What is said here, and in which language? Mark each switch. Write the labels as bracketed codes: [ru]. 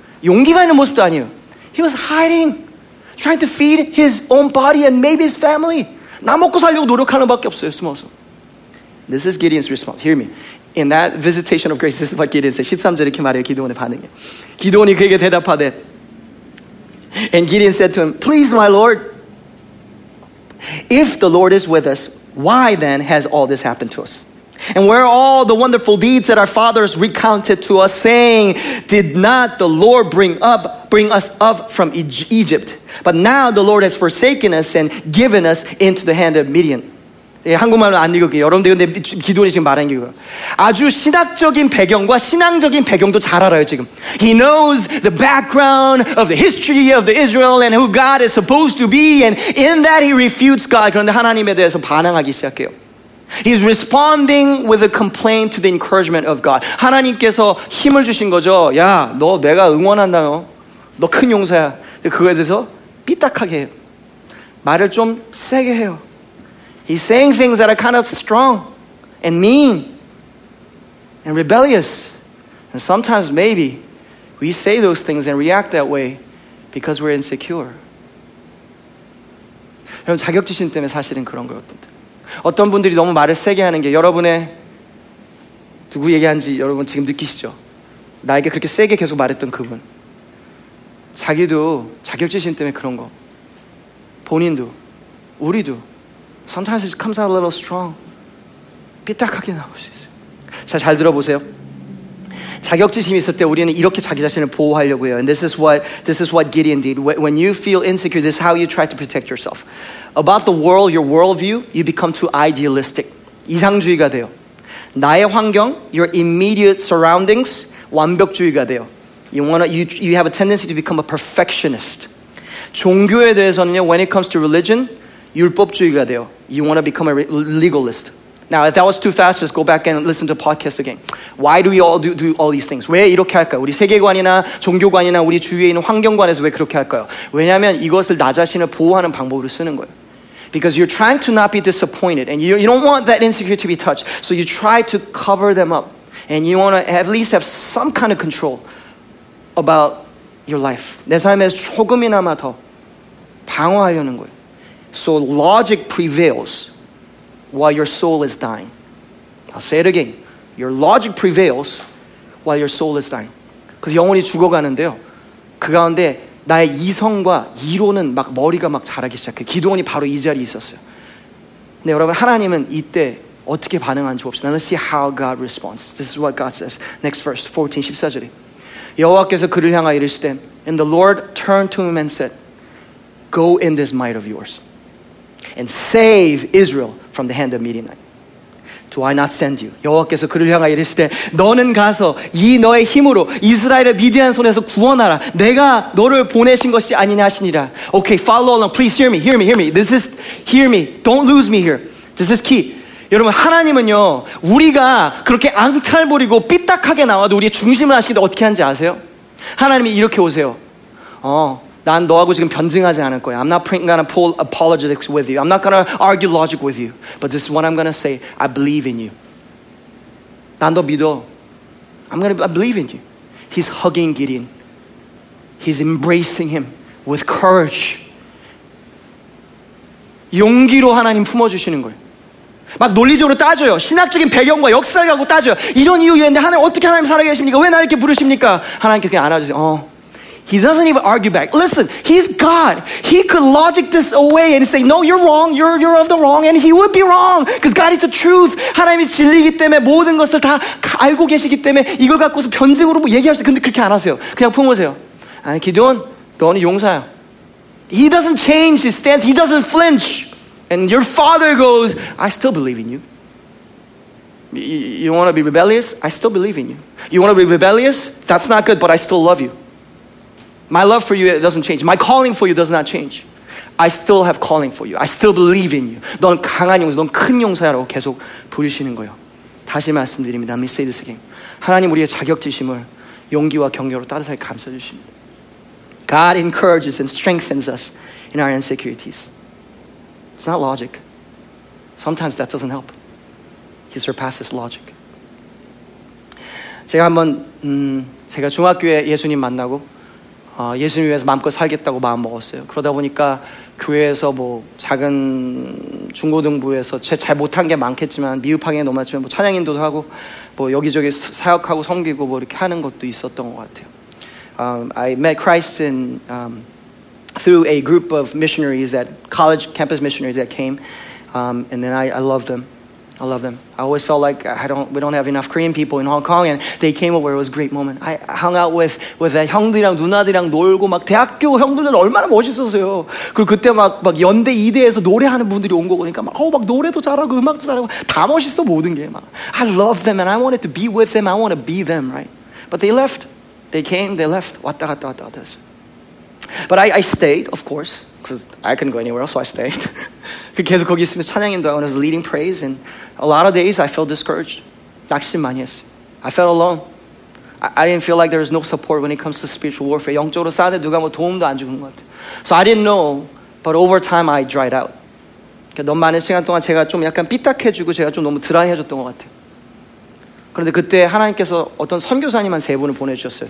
[ko] 용기가 있는 모습도 아니에요. [en] He was hiding, trying to feed his own body and maybe his family. [ko] 나 먹고 살려고 노력하는 밖에 없어요, 숨어서. [en] This is Gideon's response. Hear me. In that visitation of grace, this is what Gideon said. [ko] 13절 이렇게 말해요, 기드온의 반응이. 기드온이 그에게 대답하되. [en] And Gideon said to him, please, my Lord, if the Lord is with us, why then has all this happened to us? And where are all the wonderful deeds that our fathers recounted to us, saying, did not the Lord bring us up from Egypt? But now the Lord has forsaken us and given us into the hand of Midian. [ko] 예, 한국말로 안 읽을게요. 여러분들 근데 기도원이 지금 말한 이유가 아주 신학적인 배경과 신앙적인 배경도 잘 알아요 지금. [en] He knows the background of the history of the Israel and who God is supposed to be, and in that he refutes God. [ko] 그런데 하나님에 대해서 반항하기 시작해요. [en] He's responding with a complaint to the encouragement of God. [ko] 하나님께서 힘을 주신 거죠. 야, 너 내가 응원한다. 너 큰 용사야. 근데 그거에 대해서 삐딱하게 해요. 말을 좀 세게 해요. [en] He's saying things that are kind of strong and mean and rebellious. And sometimes maybe we say those things and react that way because we're insecure. [ko] 여러분, 자격지심 때문에 사실은 그런 거였던데. 어떤 분들이 너무 말을 세게 하는 게 여러분의 누구 얘기하는지 여러분 지금 느끼시죠? 나에게 그렇게 세게 계속 말했던 그분. 자기도 자격지심 때문에 그런 거. 본인도, 우리도. [en] Sometimes it comes out a little strong. [ko] 삐딱하게 나올 수 있어요. 자, 잘 들어보세요. 자격지심이 있을 때 우리는 이렇게 자기 자신을 보호하려고 해요. [en] And this is what Gideon did. When you feel insecure, this is how you try to protect yourself. About the world, your worldview, you become too idealistic. [ko] 이상주의가 돼요. 나의 환경, [en] your immediate surroundings, [ko] 완벽주의가 돼요. [en] You have a tendency to become a perfectionist. [ko] 종교에 대해서는요, [en] when it comes to religion, [ko] 율법주의가 돼요. [en] You want to become a legalist. Now, if that was too fast, just go back and listen to the podcast again. Why do we all do all these things? [ko] 왜 이렇게 할까요? 우리 세계관이나 종교관이나 우리 주위에 있는 환경관에서 왜 그렇게 할까요? 왜냐하면 이것을 나 자신을 보호하는 방법으로 쓰는 거예요. [en] Because you're trying to not be disappointed and you don't want that insecurity to be touched. So you try to cover them up and you want to at least have some kind of control about your life. [ko] 내 삶에서 조금이나마 더 방어하려는 거예요. [en] So logic prevails while your soul is dying. I'll say it again. Your logic prevails while your soul is dying. Because [ko] 영혼이 죽어가는데요. 그 가운데 나의 이성과 이론은 막 머리가 막 자라기 시작해. 기도원이 바로 이 자리에 있었어요. 근데 여러분, 하나님은 이때 어떻게 반응하는지 봅시다. [en] Let's see how God responds. This is what God says. Next verse, 14, [ko] 14절에. 여호와께서 그를 향하여 이르시되, [en] And the Lord turned to him and said, Go in this might of yours. And save Israel from the hand of Midianite. Do I not send you? [ko] 여호와께서 그를 향하여 이르시되 너는 가서 이 너의 힘으로 이스라엘의 미디안 손에서 구원하라. 내가 너를 보내신 것이 아니냐 하시니라. [en] Okay, follow along. Please hear me. Hear me. Hear me. This is hear me. Don't lose me here. This is key. [ko] 여러분, 하나님은요, 우리가 그렇게 앙탈부리고 삐딱하게 나와도 우리의 중심을 아시는데 어떻게 하는지 아세요? 하나님이 이렇게 오세요. 난 너하고 지금 변증하지 않을 거야. [en] I'm not going to pull apologetics with you. I'm not going to argue logic with you. But this is what I'm going to say. I believe in you. [ko] 난 너 믿어. [en] I believe in you. He's hugging Gideon. He's embracing him with courage. [ko] 용기로 하나님 품어주시는 거예요. 막 논리적으로 따져요. 신학적인 배경과 역사를 갖고 따져요. 이런 이유 있는데 하나님 어떻게 하나님 살아계십니까? 왜 나를 이렇게 부르십니까? 하나님께 그냥 안아주세요. [en] He doesn't even argue back. Listen, he's God. He could logic this away and say, no, you're wrong. You're of the wrong. And he would be wrong. Because God is the truth. [ko] 하나님이 진리이기 때문에 모든 것을 다 알고 계시기 때문에 이걸 갖고서 변증으로 뭐 얘기할 수 있는데 그렇게 안 하세요. 그냥 품으세요. 아니, 기도원, 너는 용사야. [en] He doesn't change his stance. He doesn't flinch. And your father goes, I still believe in you. You want to be rebellious? I still believe in you. You want to be rebellious? That's not good, but I still love you. My love for you, it doesn't change. My calling for you does not change. I still have calling for you. I still believe in you. [ko] 넌 강한 용사, 넌 큰 용사야라고 계속 부르시는 거예요. 다시 말씀드립니다. [en] Let me say this again. [ko] 하나님 우리의 자격지심을 용기와 격려로 따뜻하게 감싸주십니다. [en] God encourages and strengthens us in our insecurities. It's not logic. Sometimes that doesn't help. He surpasses logic. [ko] 제가 한번 제가 중학교에 예수님 만나고 예수님을 위해서 마음껏 살겠다고 마음 먹었어요. 그러다 보니까 교회에서 뭐 작은 중고등부에서 제 잘 못한 게 많겠지만 미흡하게 넘어갔지만 뭐 찬양 인도도 하고 뭐 여기저기 사역하고 섬기고 뭐 이렇게 하는 것도 있었던 것 같아요. [en] I met Christ in through a group of missionaries at college campus missionaries that came, and then I love them. I love them. I always felt like we don't have enough Korean people in Hong Kong, and they came over. It was a great moment. I hung out with the [ko] 형들이랑 누나들이랑 놀고 막 대학교 형들은 얼마나 멋있었어요. 그리고 그때 막 연대 이대에서 노래하는 분들이 온 거 보니까 막 노래도 잘하고 음악도 잘하고 다 멋있어 모든 게 막. [en] I love them, and I wanted to be with them. I want to be them, right? But they left. They came. They left. [ko] 왔다 갔다 왔다 갔다 했어. [en] But I stayed, of course. Because I couldn't go anywhere else, so I stayed. [ko] 계속 거기 있으면서 찬양인도 하고, [en] I was leading praise, and a lot of days I felt discouraged. [ko] 낙심 많이 했어요. [en] I felt alone. I didn't feel like there was no support when it comes to spiritual warfare. [ko] 영적으로 싸는데 누가 뭐 도움도 안 주는 것 같아. [en] So I didn't know, but over time I dried out. [ko] 너무 많은 시간 동안 제가 좀 약간 삐딱해지고 제가 좀 너무 드라이해졌던 것 같아요. 그런데 그때 하나님께서 어떤 선교사님 한 세 분을 보내주셨어요.